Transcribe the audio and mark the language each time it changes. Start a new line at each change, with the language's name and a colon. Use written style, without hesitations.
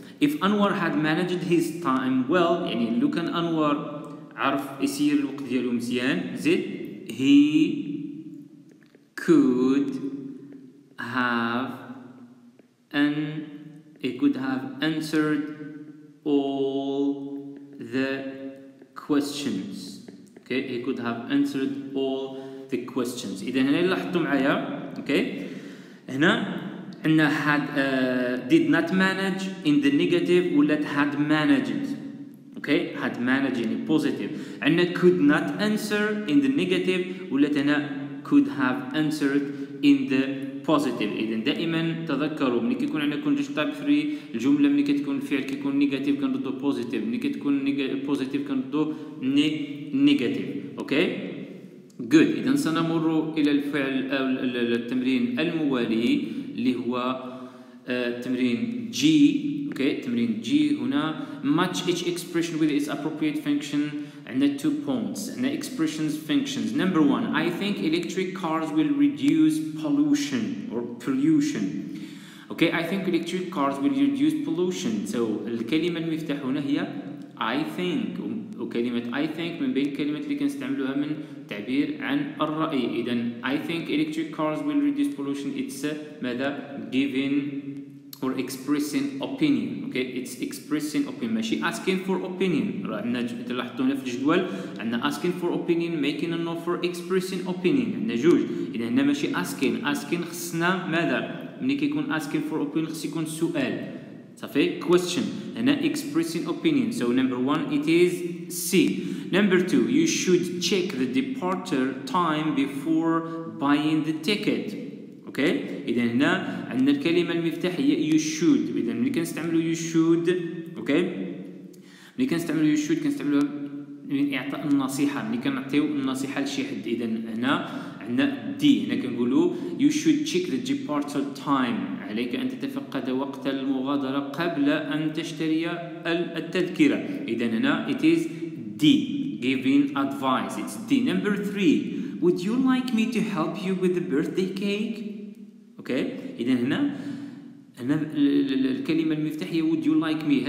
English: if Anwar had managed his time well
Arabic: يعني لو كان انور عرف يسير الوقت ديالو مزيان
English: زيد he could have ان he could have answered all the questions. Okay, he could have answered all the questions.
Arabic: إذا هنا لاحظتوا معايا okay هنا عندنا
English: had did not manage in the negative
Arabic: ولا
English: had managed. Okay, had managed in the positive. عندنا could not answer in the negative
Arabic: ولا هنا
English: could have answered in the positive.
Arabic: إذن دائما تذكروا ملي كيكون عندنا
English: condition type 3
Arabic: الجمله ملي كتكون الفعل كيكون نيجاتيف كنردوا بوزيتيف ملي كتكون بوزيتيف كنردوا نيجاتيف. اوكي جود اذا سنمر الى الفعل التمرين الموالي اللي هو تمرين جي. اوكي تمرين جي هنا
English: Match each expression with its appropriate function and the two points and the expressions functions. Number one, I think electric cars will reduce pollution or pollution. Okay, I think electric cars will reduce pollution.
Arabic: So الكلمة المفتاح هنا هي I think. وكلمة I think من بين الكلمات اللي كنستعملوها من تعبير عن الرأي.
English: إذن I think electric cars will reduce pollution. It's
Arabic: ماذا
English: given or expressing opinion. Okay, it's expressing opinion.
Arabic: ماشي
English: asking for opinion.
Arabic: عندنا تلاحظون في الجدول
English: عندنا asking for opinion, making an offer, expressing opinion.
Arabic: عندنا جوج. إذا هنا ماشي asking. Asking خصنا ماذا؟ ملي كيكون
English: asking for opinion
Arabic: خص يكون سؤال. صافي؟
English: question. هنا expressing opinion. So number one it is C. Number two, you should check the departure time before buying the ticket. Okay.
Arabic: إذا هنا عندنا الكلمة المفتاح هي
English: you should.
Arabic: إذا ملي كنستعملو you should.
English: Okay.
Arabic: ملي كنستعملو
English: you should
Arabic: كنستعملو من إعطاء النصيحة. ملي كنعطيو النصيحة لشي حد. إذا هنا عندنا D. هنا كنقولو
English: you should check the departure time.
Arabic: عليك أن تتفقد وقت المغادرة قبل أن تشتري التذكرة. إذا هنا
English: it is D. Giving advice. It's D. Number three. Would you like me to help you with the birthday cake? Okay.
Arabic: إذن هنا الكلمة المفتاح هي
English: would you like me.